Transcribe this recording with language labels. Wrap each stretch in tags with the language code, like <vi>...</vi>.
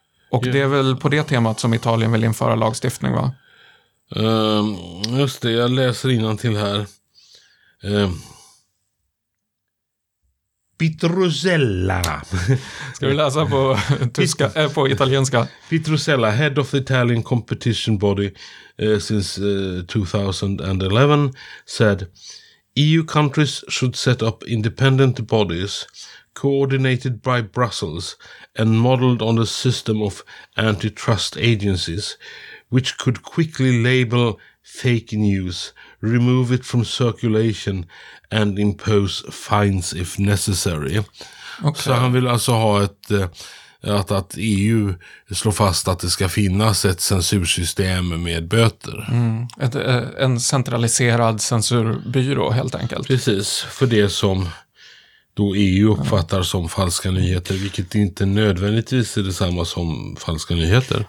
<sv>Och det är väl på det temat som Italien vill införa lagstiftning, va? Just det, jag läser innantill här. Petrosella. Ska vi läsa på tyska, på italienska?</sv> <en>Petrosella, head of the Italian competition body since 2011, said EU countries should set up independent bodies coordinated by Brussels and modeled on a system of antitrust agencies which could quickly label fake news, remove it from circulation and impose fines if necessary. Okay.</en> <sv>Så han vill alltså ha ett att EU slår fast att det ska finnas ett censursystem med böter. Mm. En centraliserad censurbyrå helt enkelt. Precis, för det som då EU uppfattar som falska nyheter, vilket inte nödvändigtvis är detsamma som falska nyheter.</sv>